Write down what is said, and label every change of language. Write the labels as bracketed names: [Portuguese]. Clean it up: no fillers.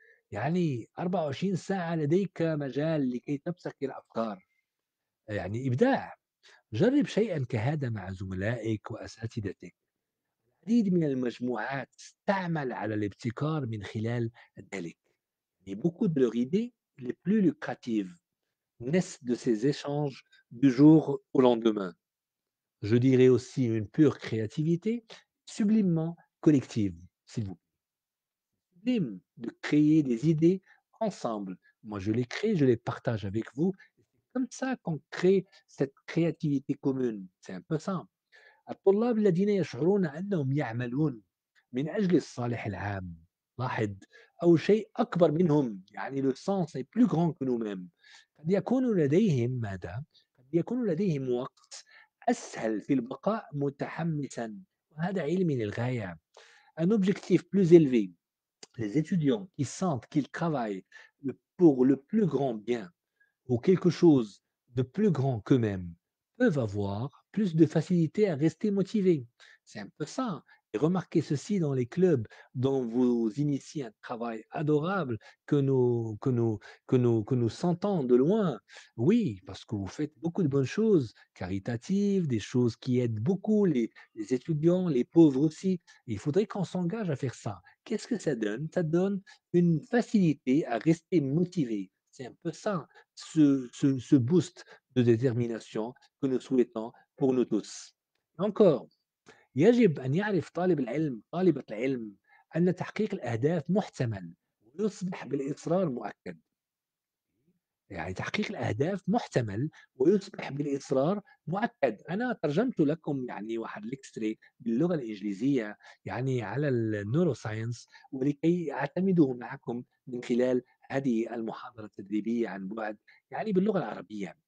[Arabic] يعني 24 ساعة لديك مجال لكي تبتكر أفكار، يعني إبداع. جرب شيئا كهذا مع زملائك وأساتذتك. العديد من المجموعات تعمل على الابتكار من خلال ذلك. [French] Il y a beaucoup de leurs idées les plus lucratives naissent de ces échanges du jour au lendemain. Je dirais aussi une pure créativité sublimement collective, s'il vous plaît. Sublime de créer des idées ensemble. Moi, je les crée, je les partage avec vous. C'est comme ça qu'on crée cette créativité commune. C'est un peu simple. [Arabic] الطلاب الذين يشعرون أنهم يعملون من أجل الصالح العام، لاحظ، أو شيء أكبر منهم، يعني [French] le sens est plus grand que nous-mêmes. [Arabic] قد يكون لديهم ماذا؟ قد يكون لديهم وقت أسهل في البقاء متحمسا، وهذا علمي للغاية. [French] Un objectif plus élevé. Les étudiants qui sentent qu'ils travaillent pour le plus grand bien ou quelque chose de plus grand qu'eux-mêmes peuvent avoir plus de facilité à rester motivés. C'est un peu ça. Et remarquez ceci dans les clubs dont vous initiez un travail adorable que nous sentons de loin. Oui, parce que vous faites beaucoup de bonnes choses caritatives, des choses qui aident beaucoup les étudiants, les pauvres aussi. Il faudrait qu'on s'engage à faire ça. Qu'est-ce que ça donne? Ça donne une facilité à rester motivé. C'est un peu ça, ce boost de détermination que nous souhaitons pour nous tous. [Arabic] Encore, يجب أن يعرف طالب العلم، طالبة العلم، أن تحقيق الأهداف محتمل ويصبح بالإصرار مؤكد. يعني تحقيق الأهداف محتمل ويصبح بالإصرار مؤكد. أنا ترجمت لكم يعني واحد الإكستري باللغة الإنجليزية يعني على النوروساينس، ولكي أعتمده معكم من خلال هذه المحاضرة التدريبية عن بعد، يعني باللغة العربية.